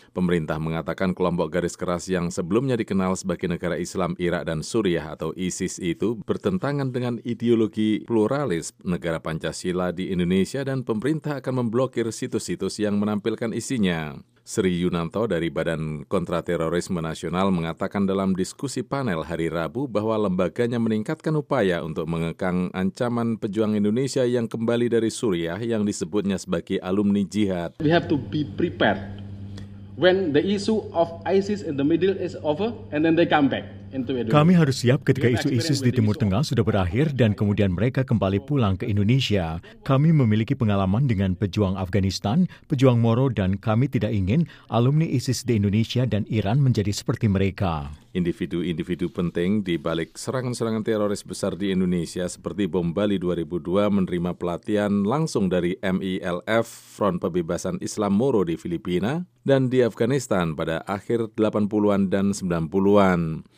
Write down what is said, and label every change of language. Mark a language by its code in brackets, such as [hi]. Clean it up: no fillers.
[id] Pemerintah mengatakan kelompok garis keras yang sebelumnya dikenal sebagai negara Islam Irak dan Suriah atau ISIS itu bertentangan dengan ideologi pluralis negara Pancasila di Indonesia dan pemerintah akan memblokir situs-situs yang menampilkan isinya. Sri Yunanto dari Badan Kontraterorisme Nasional mengatakan dalam diskusi panel hari Rabu bahwa lembaganya meningkatkan upaya untuk mengekang ancaman pejuang Indonesia yang kembali dari Suriah yang disebutnya sebagai alumni jihad. [en] We have to be prepared when the issue of ISIS in the Middle is over and then they come back. [id] Kami harus siap ketika isu ISIS di Timur Tengah sudah berakhir dan kemudian mereka kembali pulang ke Indonesia. Kami memiliki pengalaman dengan pejuang Afghanistan, pejuang Moro, dan kami tidak ingin alumni ISIS di Indonesia dan Iran menjadi seperti mereka. Individu-individu penting di balik serangan-serangan teroris besar di Indonesia seperti bom Bali 2002 menerima pelatihan langsung dari MILF, Front Pembebasan Islam Moro di Filipina, dan di Afghanistan pada akhir 80-an dan 90-an.